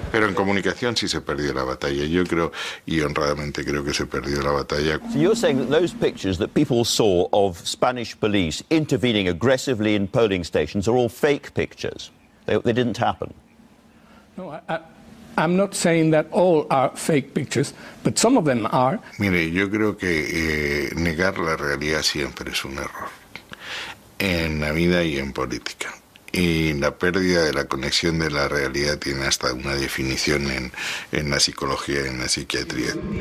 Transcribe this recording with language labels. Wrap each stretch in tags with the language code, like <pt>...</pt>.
<ca>Però en comunicació</ca> <es>sí se perdió la batalla.</es> <ca>Jo crec, i</ca> <es>honradamente</es> <ca>crec que</ca> <es>se perdió la batalla.</es> <en>So you're saying that those pictures that people saw of Spanish police intervening aggressively in polling stations are all fake pictures. They didn't happen. No, I'm not saying that all are fake pictures, but some of them are.</en> <es>Mire, yo creo que negar la realidad siempre es un error en la vida y en política. Y la pérdida de la conexión de la realidad tiene hasta una definición en la psicología y en la psiquiatría.</es>